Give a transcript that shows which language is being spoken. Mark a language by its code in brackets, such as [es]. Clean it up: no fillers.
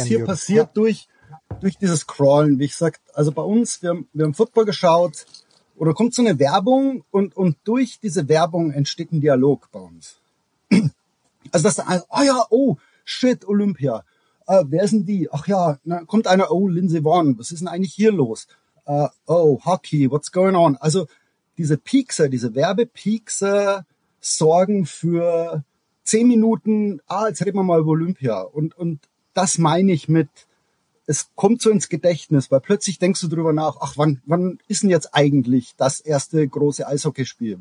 [de] Was hier passiert durch dieses Crawlen, wie ich sagte, also bei uns, wir haben Football geschaut oder kommt so eine Werbung und durch diese Werbung entsteht ein Dialog bei uns. Also das, oh ja, oh, shit, Olympia. Wer sind die? Ach ja, na, kommt einer, oh, Lindsey Vonn, was ist denn eigentlich hier los? [en] Oh, Hockey, what's going on? [de] Also diese Piekser, diese Werbepiekser sorgen für 10 Minuten, jetzt reden wir mal über Olympia. Und das meine ich mit, es kommt so ins Gedächtnis, weil plötzlich denkst du drüber nach, ach, wann ist denn jetzt eigentlich das erste große Eishockeyspiel?